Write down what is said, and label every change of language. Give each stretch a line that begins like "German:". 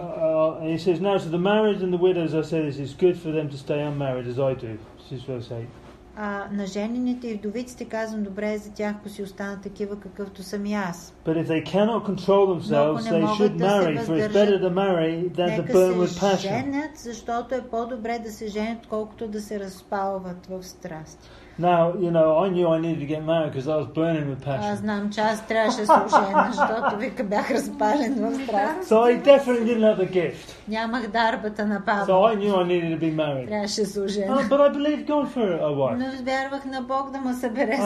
English: He says, now to the marriage and the widows, I say this is good for them to stay unmarried as I do. This is verse 8.
Bulgarian: На женените и вдовиците казвам, добре е за тях, ако си останат такива, какъвто съм и аз.
English: But if they cannot control themselves, they should marry, for it's better to marry than to burn with passion.
Bulgarian: Нека се женят, защото е по-добре да се женят, колкото да се разпалват в страсти.
English: Now, you know, I knew I needed to get married because I was burning with passion.
Bulgarian: Аз знам, че аз трябваше служение, защото вика бях разпален в страсти.
English: So I definitely didn't have the gift.
Bulgarian: Нямах дарбата на Павел.
English: So I knew I needed to be married.
Bulgarian: Трябваше служение.
English: But I believed God for a wife.
Bulgarian: Но вярвах на Бог да ме събере за